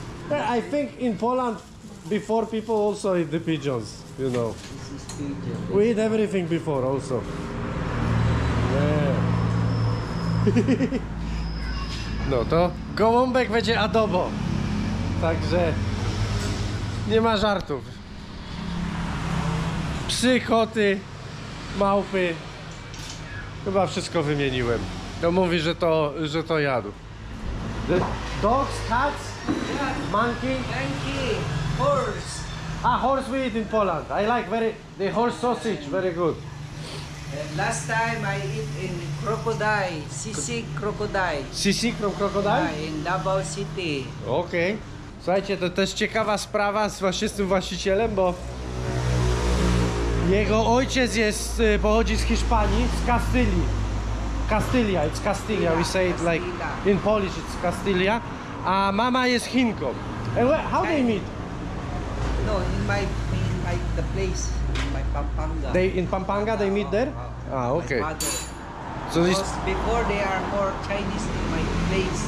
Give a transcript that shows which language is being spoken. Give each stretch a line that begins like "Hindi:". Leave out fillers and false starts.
English: I think in Poland before people also eat the pigeons, you know. This is pigeon. We eat everything before also. Yeah.
Polish: No to gołąbek będzie adobo. Także nie ma żartów. Psy, koty, małpy. Chyba wszystko wymieniłem. To mówi, że to jadł.
English: Dogs, cats, yeah. Monkey, horse. Ah, horse we eat in Poland. I like very the horse sausage, very good. Last time I eat in crocodile, sisik crocodile. Sisik from crocodile? Yeah, in Davao City. Okay.
Polish: Słuchajcie, to też ciekawa sprawa z tym właścicielem, bo jego ojciec jest, pochodzi z Hiszpanii, z Kastylii.
English: Kastylia, it's Kastylia, we say it like in Polish, it's Kastylia.
Polish: A mama jest Chinką.
English: And where, how they meet? No, in my the place, in my Pampanga. They in Pampanga they meet there? Ah, okay. So this before there are more Chinese in my place.